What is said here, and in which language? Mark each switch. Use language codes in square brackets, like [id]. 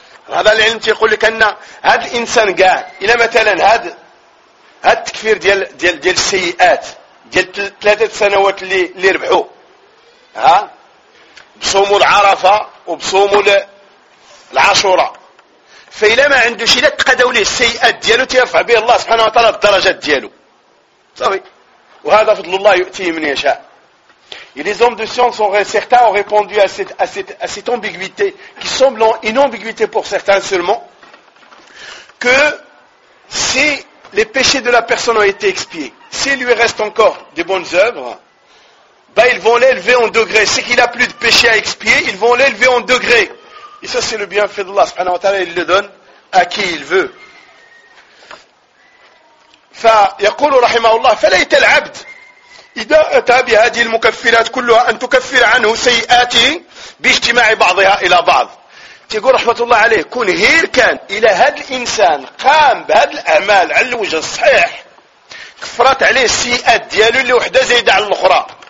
[ar] هذا العلم تيقول لك أن هذا الإنسان قال إلى مثلا هذا التكفير ديال السيئات ديال ثلاثة سنوات اللي ربحوا ها بصوموا العرفة وبصوموا العاشوراء، فإلا ما عنده شيء تقدوا له السيئات ديالو تيرفع به الله سبحانه وتعالى الدرجات ديالو صافي. وهذا فضل الله يؤتيه من يشاء. [fr] Et les hommes de science, certains ont répondu à cette ambiguïté, qui semble une ambiguïté pour certains seulement, que si les péchés de la personne ont été expiés, s'il lui reste encore des bonnes œuvres, ben ils vont l'élever en degré. Si qu'il n'a plus de péché à expier, ils vont l'élever en degré. Et ça, c'est le bienfait d'Allah, subhanahu wa ta'ala, il le donne à qui il veut. [ar] فَيَقُولُ رَحِمَهُ اللَّهِ فَلَيْتَ الْعَبْدِ إذا أتى بهذه المكفرات كلها أن تكفر عنه سيئاته باجتماع بعضها إلى بعض. تقول رحمة الله عليه كون هير كان إلى هذا الإنسان قام بهذه الأعمال على الوجه الصحيح كفرت عليه السيئات ديالو اللي وحدة زيد على الأخرى.